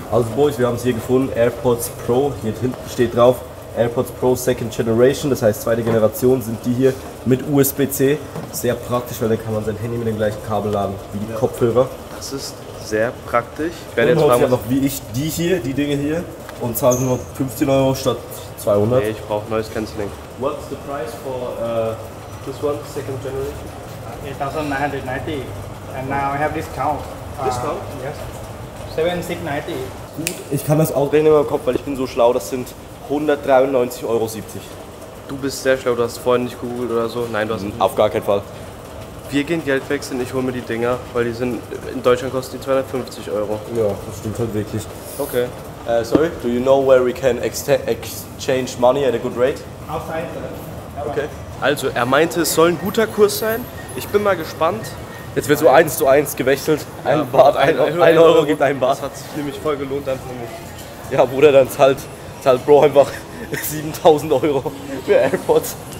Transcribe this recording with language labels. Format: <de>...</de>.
<de>Also Boys, wir haben es hier gefunden, AirPods Pro. Hier hinten steht drauf, AirPods Pro Second Generation, das heißt zweite Generation, sind die hier mit USB-C. Sehr praktisch, weil dann kann man sein Handy mit dem gleichen Kabel laden wie die Kopfhörer. Das ist sehr praktisch. Ich werde jetzt mal noch wie ich die Dinge hier. Und zahlst nur 15 Euro statt 200. Nee, ich brauche neues Canceling.</de> <en>What's the price for this one, second generation? 8,990. And now I have discount. Discount? Yes. 7,690.</en> <de>Gut, ich kann das auch rechnen in meinem Kopf, weil ich bin so schlau. Das sind 193,70 Euro. Du bist sehr schlau, du hast vorhin nicht gegoogelt oder so. Nein, du hast auf gar keinen Fall. Wir gehen Geld wechseln, ich hole mir die Dinger, weil die sind, in Deutschland kosten die 250 Euro. Ja, das stimmt halt wirklich. Okay.</de> <en>Sorry, do you know where we can exchange money at a good rate? Outside. Okay.</en> <de>Also, er meinte, es soll ein guter Kurs sein. Ich bin mal gespannt. Jetzt wird so 1:1 gewechselt. Ein ja, Bart, ein Euro gibt ein Bart. Das hat sich nämlich voll gelohnt dann für mich. Ja, Bruder, dann zahlt Bro einfach 7.000 Euro für AirPods.</de>